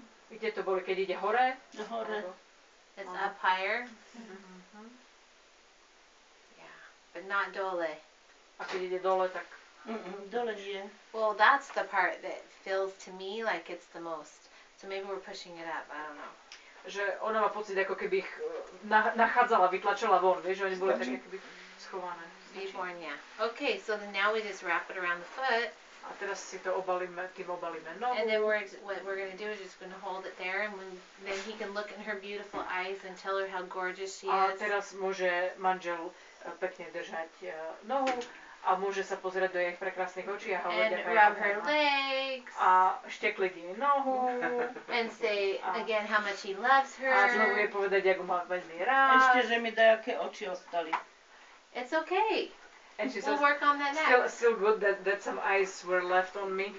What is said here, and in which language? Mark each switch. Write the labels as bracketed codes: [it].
[sk] Kde to boli, keď ide hore? Hore. [en] It's up higher. Yeah, but not dole. [sk] A keď ide dole, tak... Dole nie. [en] Well, that's the part that feels to me like it's the most. So maybe we're pushing it up, I don't know. [sk] Že ona má pocit, ako keby ich nachádzala, vytlačila von, vieš, že oni boli tak, ako keby schované. [en] Výborn, yeah. Okay, so now we just wrap it around the foot. [sk] A teraz si to obalíme, tým obalíme nohu. [en] And then what we're going to do is just going to hold it there and then he can look in her beautiful eyes and tell her how gorgeous she is. [sk] A teraz môže manžel pekne držať nohu a môže sa pozrieť do jej prekrásnych očí a hovoriť. [en] And rub her legs. [sk] A štekliť jej nohu. [en] And say again how much he loves her. [sk] A znovu jej povedať, ako má veľmi rád. Ešte, že mi dajaké oči ostali. [en] It's okay. And she we'll work on that next. Still good that some eyes were left on me.